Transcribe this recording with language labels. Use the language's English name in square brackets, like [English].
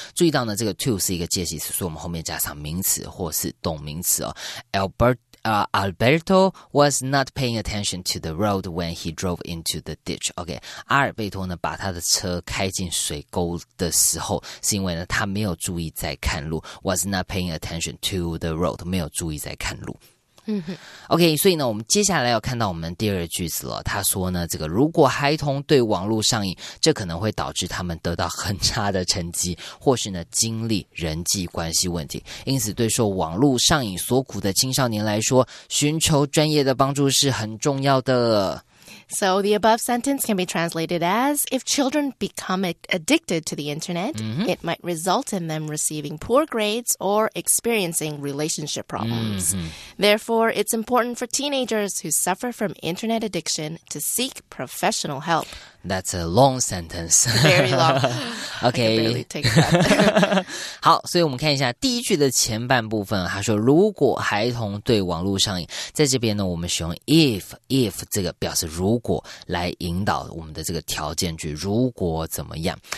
[Chinese] 注意到呢，这个 to 是一个介系词，所以我们后面加上名词或是动名词哦。 [English] Alberto was not paying attention to the road when he drove into the ditch. [Chinese] OK, 阿尔贝托呢把他的车开进水沟的时候，是因为呢他没有注意在看路 ， [English] was not paying attention to the road， [Chinese] 没有注意在看路。 OK, 所以呢我们接下来要看到我们第二句子了。他说呢这个如果孩童对网络上瘾这可能会导致他们得到很差的成绩或是呢经历人际关系问题。因此对受网络上瘾所苦的青少年来说寻求专业的帮助是很重要的。 [English] So the above sentence can be translated as, if children become addicted to the internet, mm-hmm. it might result in them receiving poor grades or experiencing relationship problems. Mm-hmm. Therefore, it's important for teenagers who suffer from internet addiction to seek professional help. That's a long sentence. Very long. [Chinese] OK, 好，所以我们看一下第一句的前半部分，他说如果孩童对网络上瘾，在这边呢，我们使用 if 这个表示如果来引导我们的这个条件句，如果怎么样？